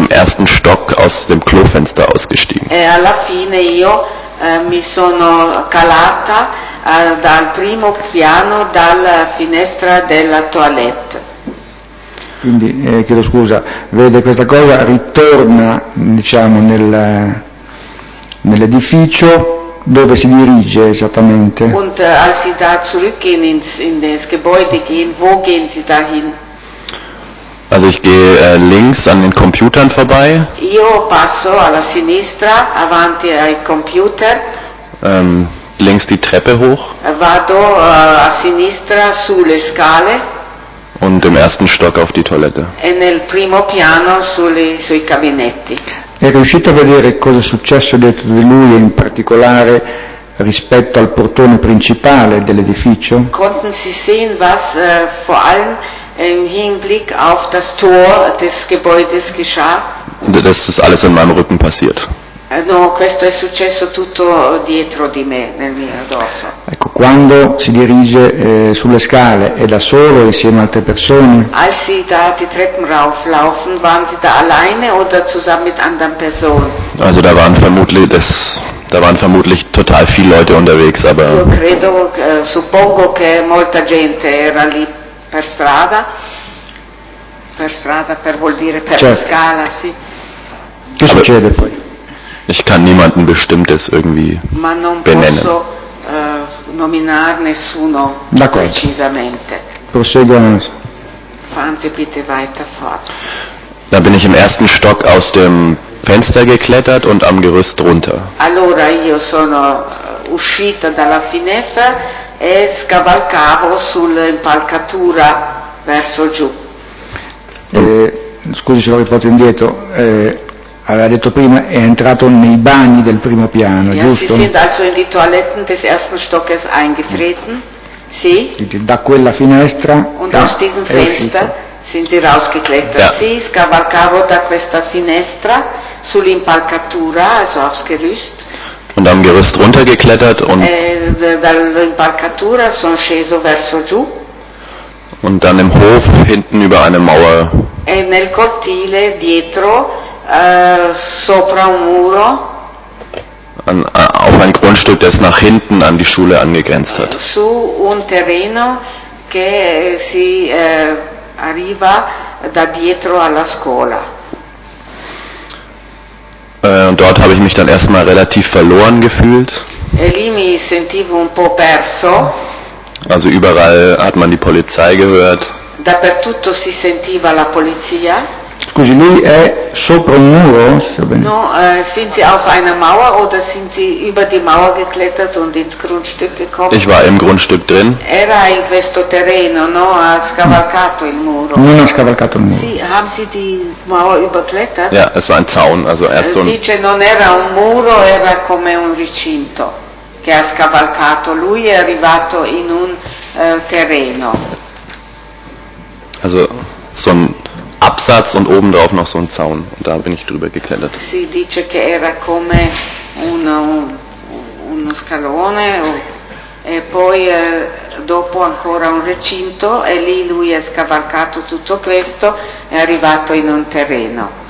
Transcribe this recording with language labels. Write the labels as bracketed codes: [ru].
[de] ersten Stock aus dem Klofenster ausgestiegen. [it] E alla fine io mi sono calata dal primo piano dalla finestra della toilette. Quindi chiedo scusa, vede questa cosa, ritorna diciamo nell'edificio dove si dirige esattamente. [de] Und als sie da zurückgehen in das Gebäude gehen, wo gehen sie dahin? Also ich gehe links an den Computern vorbei. [it] Io passo alla sinistra avanti ai computer. [de] Links die Treppe hoch. [it] Vado a sinistra sulle scale. [de] Und im ersten Stock auf die Toilette. [it] E nel primo piano sui gabinetti. È riuscito a vedere cosa è successo dietro di lui, in particolare rispetto al portone principale dell'edificio? [de] Konnten Sie sehen, was vor allem im Hinblick auf das Tor des Gebäudes geschah? Das ist alles in meinem Rücken passiert. [it] No, questo è successo tutto dietro di me, nel mio dorso. Ecco, quando si dirige sulle scale, è da solo insieme ad altre persone? [de] Als sie da die Treppen rauflaufen, waren sie da alleine oder zusammen mit anderen Personen? Also da waren vermutlich total viele Leute unterwegs, aber... [it] Io credo, suppongo che molta gente era lì per strada. Per strada, per vuol dire per la scala, sì. Che succede poi? [de] Ich kann niemanden Bestimmtes irgendwie benennen. [it] Posso, nominar nessuno precisamente. [de] Fahren Sie bitte weiter fort. Da bin ich im ersten Stock aus dem Fenster geklettert und am Gerüst runter. [it] Allora io sono uscita dalla finestra e scavalcavo sull'impalcatura verso giù. Scusi se lo riporto indietro. Aveva detto prima è entrato nei bagni del primo piano, [de] ja, [it] giusto? [de] Sie sind also in die Toiletten des ersten Stockes eingetreten. [it] Sì. Quindi da quella finestra. [de] Und aus diesem Fenster sind sie rausgeklettert. [it] Ja. Sì, scavalcavo da questa finestra sull'impalcatura, [de] also aufs Gerüst. Und am Gerüst runtergeklettert und. [it] Dall'impalcatura sono sceso verso giù. [de] Und dann im Hof hinten über eine Mauer. [it] E nel cortile dietro. Sopra un muro, [de] auf ein Grundstück, das nach hinten an die Schule angegrenzt hat. [it] Su un terreno che si arriva da dietro alla scuola. [de] Und dort habe ich mich dann erstmal relativ verloren gefühlt. [it] E lì mi sentivo un po' perso. [de] Also überall hat man die Polizei gehört. [it] Dappertutto si sentiva la polizia. Scusi, lui è sopra un muro? [de] No, sind Sie auf einer Mauer oder sind Sie über die Mauer geklettert und ins Grundstück gekommen? Ich war im Grundstück drin. [it] Era in questo terreno, no? Ha scavalcato il muro. Non ha scavalcato il muro. [de] Sì, haben Sie die Mauer überklettert? Ja, es war ein Zaun, also erst so ein... [it] Dice, non era un muro, era come un recinto che ha scavalcato. Lui è arrivato in un terreno. [de] Also, so ein... Absatz und oben drauf noch so ein Zaun. Und da bin ich drüber geklettert. [it] Si dice che era come uno scalone e poi dopo ancora un recinto e lì lui ha scavalcato tutto questo e è arrivato in un terreno.